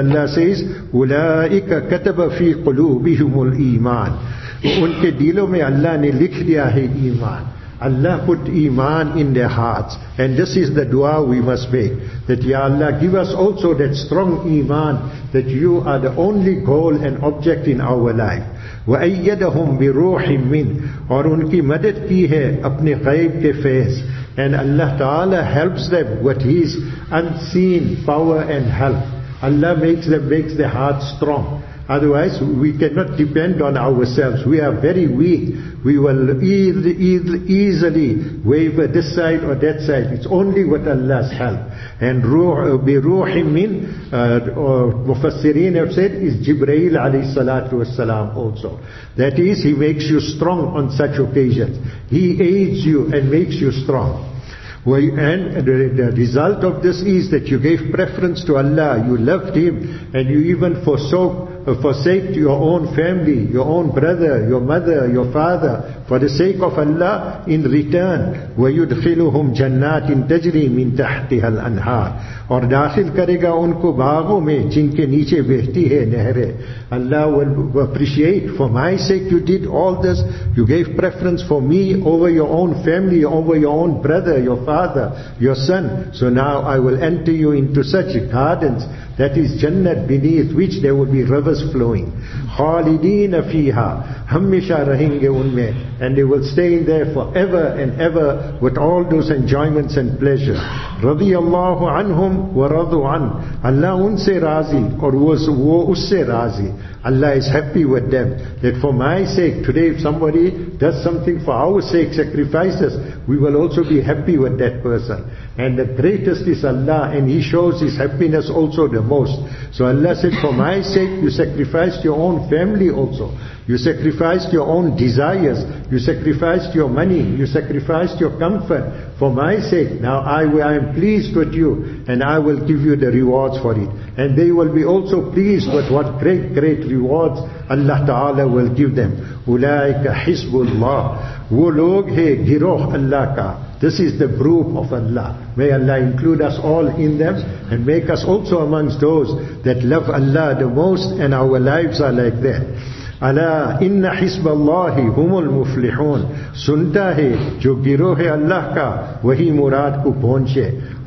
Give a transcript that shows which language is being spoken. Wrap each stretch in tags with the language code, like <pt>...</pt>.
<ur>Allah says</ur> <ar>أُولَٰئِكَ كَتَبَ فِي قُلُوبِهُمُ الْإِيمَانِ,</ar> <ur>unke dilon mein Allah ne likh diya hai iman.</ur> <en>Allah put iman in their hearts. And this is the dua we must make, that Ya Allah, give us also that strong iman, that you are the only goal and object in our life.</en> <ar>وَأَيَّدَهُمْ بِرُوحٍ مِّنْ,</ar> <ur>اور ان کی مدد کی ہے اپنے غیب کے فیض.</ur> <en>And Allah Ta'ala helps them with His unseen power and help. Allah makes their hearts strong. Otherwise, we cannot depend on ourselves. We are very weak. We will easily waver this side or that side. It's only with Allah's help. And biruhimin, Mufassirin have said, is Jibreel alayhi salatu wassalam also. That is, he makes you strong on such occasions. He aids you and makes you strong. And the result of this is that you gave preference to Allah, you loved Him, and you even forsake your own family, your own brother, your mother, your father, for the sake of Allah.</en> <ur>In return,</ur> <ar>وَيُدْخِلُهُمْ جَنَّاتٍ تَجْرِي مِنْ تَحْتِهَا الْأَنْهَارِ,</ar> <ur>اور داخل کرے گا ان کو باغوں میں جن کے نیچے بہتی ہے نہریں.</ur> <en>Allah will appreciate, for my sake you did all this, you gave preference for me over your own family, over your own brother, your father, your son, so now I will enter you into such gardens, that is Jannat, beneath which there will be rivers flowing.</en> <ar>خَالِدِينَ فِيهَا,</ar> <ur>ہمیشہ رہیں گے ان میں,</ur> <en>and they will stay there forever and ever with all those enjoyments and pleasures.</en> <ar>رَضِيَ اللَّهُ عَنْهُمْ وَرَضُوا عَنْهُ,</ar> <ur>Allah ان سے راضی اور وہ اس سے راضی.</ur> <en>Allah is happy with them, that for my sake, today if somebody does something for our sake, sacrifices, we will also be happy with that person. And the greatest is Allah, and He shows His happiness also the most. So Allah said, for my sake, you sacrificed your own family also. You sacrificed your own desires. You sacrificed your money. You sacrificed your comfort for my sake. Now I am pleased with you, and I will give you the rewards for it. And they will be also pleased with what great, great rewards Allah Ta'ala will give them.</en> <ar>أُولَٰئِكَ حِزْبُ اللَّهِ,</ar> <ur>وہ لوگ ہے گروہ اللہ کا.</ur> <en>This is the group of Allah. May Allah include us all in them and make us also amongst those that love Allah the most, and our lives are like that.</en> <ar>Ala inna hisba Allahi humul muflihun.</ar> <ur>Sunta hai jo giroh Allah ka wahi murad ko pahunche.</ur>